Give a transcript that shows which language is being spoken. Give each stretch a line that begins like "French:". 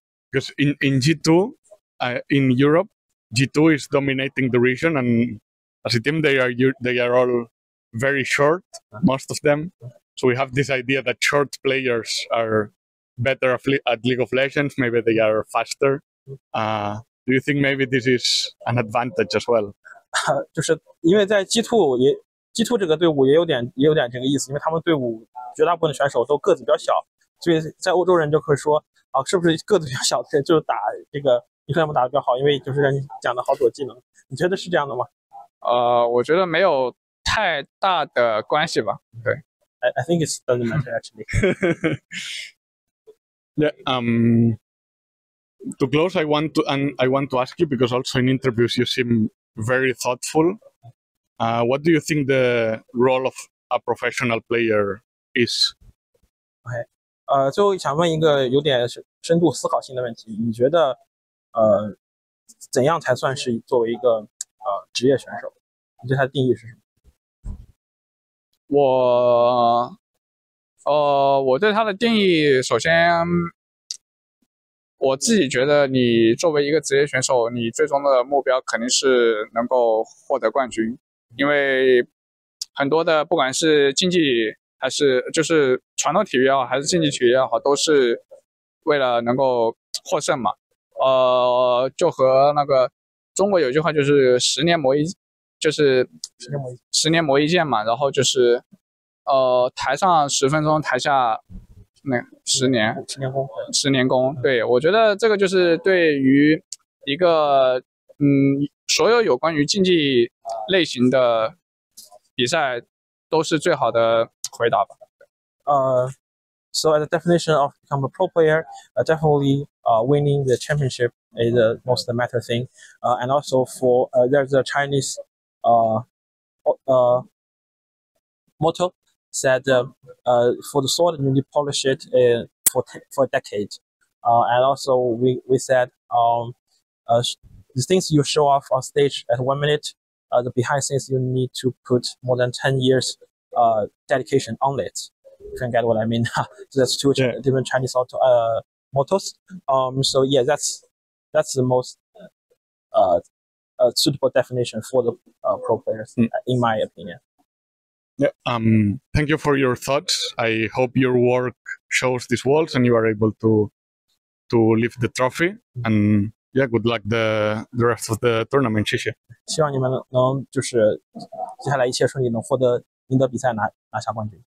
English: Because in G2, in Europe, G2 is dominating the region, and as a team, they are all very short, most of them. So we have this idea that short players are better at League of Legends. Maybe they are faster. Do you think maybe this is an advantage as well?
Chinese: 就是因为在 G2 这个队伍也有点这个意思，因为他们队伍绝大部分的选手都个子比较小。所以在欧洲人就可以说啊，是不是个子比较小的就打这个英雄联盟打得比较好，因为就是像你讲的好躲技能，你觉得是这样的吗？我觉得没有太大的关系吧。对
English: I think it's doesn't matter actually. Yeah, to close, I want to ask you, because also in interviews you seem very thoughtful. What do you think the role of a professional player is? Okay.
Chinese: 最后想问一个有点深度思考性的问题，你觉得怎样才算是作为一个职业选手？你对他的定义是什么？我对他的定义，首先我自己觉得你作为一个职业选手，你最终的目标肯定是能够获得冠军，因为很多的不管是竞技还是就是传统体育也好，还是竞技体育也好，都是为了能够获胜嘛。就和那个中国有句话就是十年磨一剑嘛。然后就是台上十分钟，台下那十年功。对，我觉得这个就是对于一个所有有关于竞技类型的比赛都是最好的回答吧。
English: So as a definition of become a pro player, definitely winning the championship is the most matter thing. And also for there's a Chinese motto said for the sword you need to polish it for a decade. And also we said the things you show off on stage at 1 minute, the behind scenes you need to put more than 10 years. Dedication on it. You can get what I mean. So that's two different Chinese auto, mottos. So yeah, that's the most suitable definition for the pro players, in my opinion. Yeah. Thank you for your thoughts. I hope your work shows these walls and you are able to lift the trophy. And Yeah, good luck the rest of the tournament.
Chinese: 谢谢。希望你们能就是接下来一切顺利，能获得赢得比赛拿下冠军。